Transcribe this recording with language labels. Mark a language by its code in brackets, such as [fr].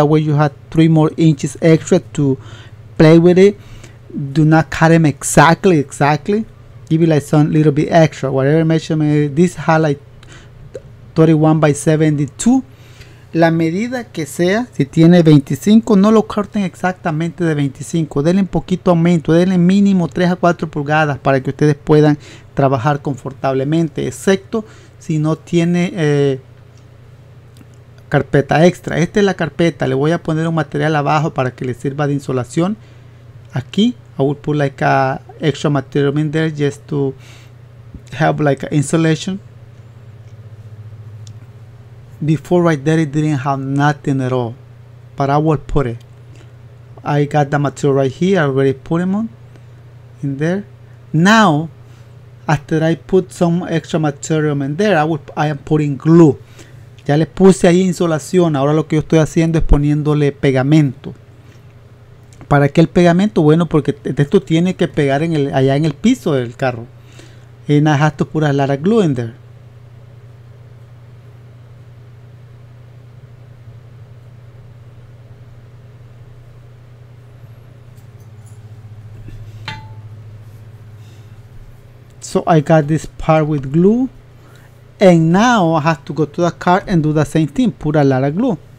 [en] That way you have 3 more inches extra to play with it. Do not cut them exactly. Give it like some little bit extra. Whatever measurement it is, this has like 31 by 72. [es] La medida que sea, si tiene 25, no lo corten exactamente de 25. Denle un poquito aumento, denle mínimo 3 a 4 pulgadas para que ustedes puedan trabajar confortablemente. Excepto si no tiene carpeta extra. Esta es la carpeta. Le voy a poner un material abajo para que le sirva de insulación. Aquí, [en] I will put like a extra material in there just to help like a insulation. Before right there it didn't have nothing at all, but I will put it. I got the material right here, I already put him on in there. Now after I put some extra material in there, I am putting glue. [es] Ya le puse ahí insulación, ahora lo que yo estoy haciendo es poniéndole pegamento. ¿Para qué el pegamento? Bueno, porque esto tiene que pegar en allá en el piso del carro. [en] And I have to put a lot of glue in there. So I got this part with glue, and now I have to go to the car and do the same thing, put a lot of glue.